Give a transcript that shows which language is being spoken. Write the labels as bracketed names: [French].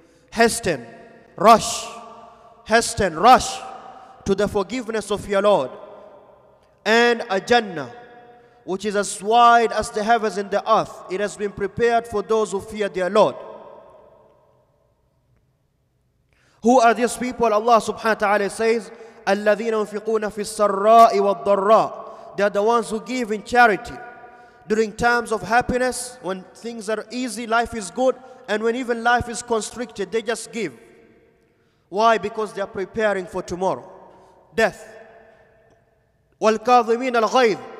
[English] Hasten, rush to the forgiveness of your Lord and a Jannah which is as wide as the heavens and the earth. It has been prepared for those who fear their Lord. Who are these people? Allah subhanahu wa ta'ala says, [Arabic] الذين ينفقون في السراء والضراء. [English] They are the ones who give in charity during times of happiness, when things are easy, life is good, and when even life is constricted, they just give. Why? Because they are preparing for tomorrow, death. [Arabic] والكاظمين الغيظ.